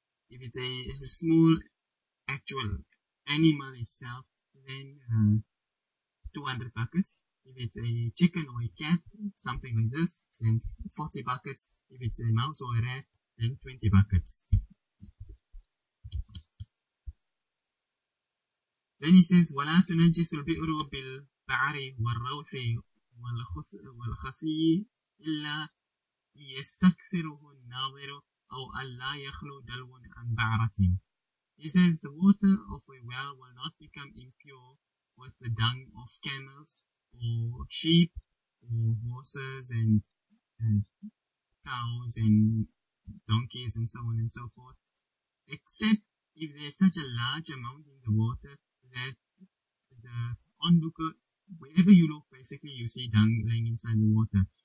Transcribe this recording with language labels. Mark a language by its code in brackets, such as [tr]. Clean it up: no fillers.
[en] If it is a small actual animal itself, then 200 buckets. If it's a chicken or a cat, something like this, then 40 buckets. If it's a mouse or a rat, then 20 buckets. Then he says, [ar] وَلَا تُنَجِّسُ الْبِئْرُ بِالْبَعْرِ وَالرَّوْثِ وَالْخَصِيِّ إِلَّا يَسْتَكْثِرُهُ النَّاظِرُ أَوْ أَلَّا يَخْلُو دَلْوٌ عَنْ بَعْرَةٍ. [en] He says, the water of a well will not become impure with the dung of camels, or sheep, or horses, and cows, and donkeys, and so on and so forth, except if there's such a large amount in the water that the onlooker, wherever you look, basically you see dung laying inside the water.